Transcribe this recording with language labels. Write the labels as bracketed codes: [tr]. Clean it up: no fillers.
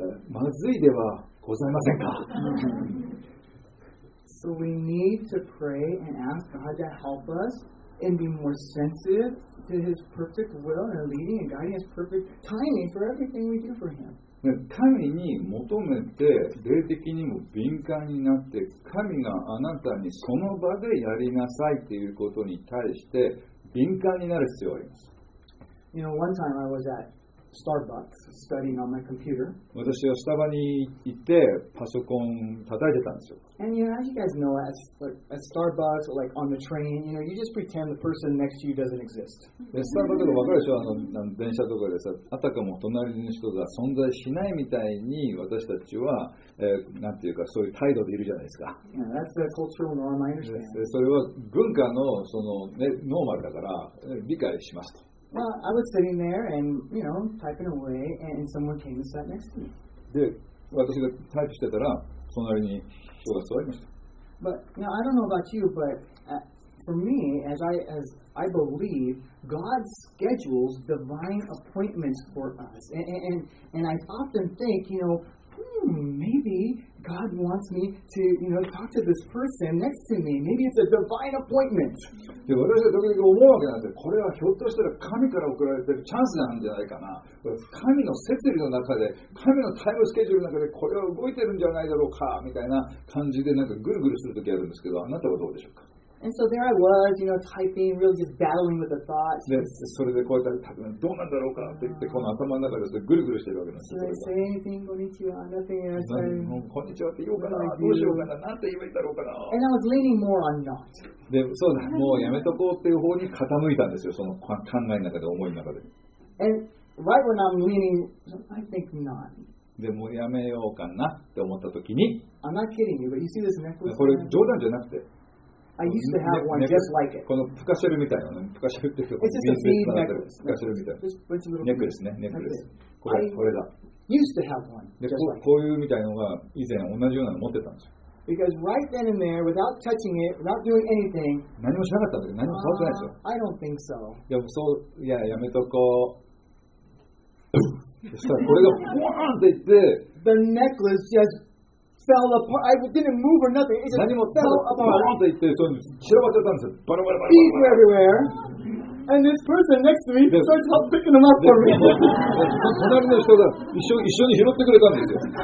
[ja] まずいではございませんか。 [en] So we need to pray and ask God to help us and be more sensitive to His perfect will and leading and guiding His perfect timing for everything we do for Him. [ja] 神に求めて霊的にも敏感になって、神があなたにその場でやりなさいということに対して敏感になる必要があります。 [en] You know, one time I was at Starbucks studying on my computer. [ja] 私はスタバに行ってパソコン叩いてたんですよ。 [en] And you know, as you guys know, at Starbucks or like on the train, you know, you just pretend the person next to you doesn't exist. [ja] スタバとか分かるでしょ、電車とかでさ、あたかも隣の人が存在しないみたいに私たちは、なんていうかそういう態度でいるじゃないですか。 [en] Yeah, that's the cultural norm, I understand. [ja] それは文化のその、ね、ノーマルだから、理解しますと。 [en] Well, I was sitting there and, you know, typing away, and someone came and sat next to me. [ja] で、私がタイプしてたら、隣に人が座りました。 [en] But, you know, I don't know about you, but for me, as I believe, God schedules divine appointments for us. And I often think, you know, maybe God wants me to, you know, talk to this person next to me. Maybe it's a divine appointment. [ja] で、私は時々思うわけなんで、これはひょっとしたら神から送られてるチャンスなんじゃないかな。神の設備の中で、神のタイムスケジュールの中でこれは動いてるんじゃないだろうかみたいな感じでなんかぐるぐるする時あるんですけど、あなたはどうでしょうか。 [en] And so there I was, you know, typing, really just battling with the thoughts. [ja] で、それでこうやって、多分どうなんだろうかって言って、この頭の中でぐるぐるしてるわけなんです [en] よ。Should I say anything? [ja] こんにちは。 [en] Nothing else. [ja] こんにちはって言おうかな。どうしようかな。なんて言えばいいんだろうかな。 [en] And I was leaning more on not. [ja] で、そうだ。もうやめとこうっていう方に傾いたんですよ。その考えの中で、思いの中で。 [en] And right when I'm leaning, I think not. [ja] でもやめようかなって思ったときに、 [en] I'm not kidding you, but you see this necklace? [ja] これ冗談じゃなくて、 [en] I used to have one just like it. [ja] このプカシェルみたいなの、プカシェルって言うと、 [en] It's just a bead necklace. [ja] プカシェルみたいな。ネックレスね、ネックレス。これだ。 [en] I used to have one just like it. [ja] こういうみたいなのが以前同じようなの持ってたんですよ。 [en] Because right then and there, without touching it, without doing anything, [ja] 何もしなかったんだけど、何も触ってないでしょ。 [en] I don't think so. [ja] いや、そう、いや、やめとこう。これがフワーンって言って、 [en] The necklace just fell apart. I didn't move or nothing. It just fell apart. [ja] 何もフワーンって言って、そう散らばっちゃったんですよ。バラバラバラ。 [en] Beads were everywhere. And this person next to me starts not picking them up for me. [ja] 隣の人が一緒に拾ってくれたんですよ。